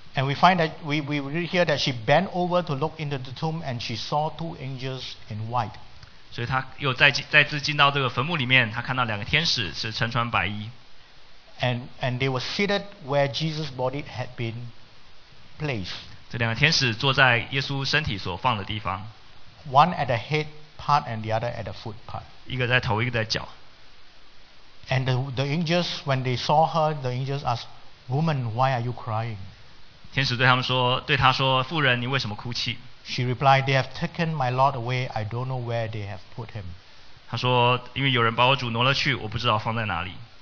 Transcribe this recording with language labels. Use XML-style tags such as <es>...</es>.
<en>And we find that we read here that she bent over to look into the tomb, and she saw two angels in white.</en> <zh>所以她又再次进到这个坟墓里面，她看到两个天使是身穿白衣。</zh> <en>And they were seated where Jesus' body had been placed.</en> <zh>这两个天使坐在耶稣身体所放的地方。</zh> <en>One at the head part and the other at the foot part.</en> <zh>一个在头，一个在脚。</zh> <en>And the angels, when they saw her, the angels asked, "Woman, why are you crying?"</en> <zh>天使对他们说，对她说，妇人，你为什么哭泣？</zh> <en>She replied, "They have taken my Lord away. I don't know where they have put him."</en> <zh>她说，因为有人把我主挪了去，我不知道放在哪里。</zh>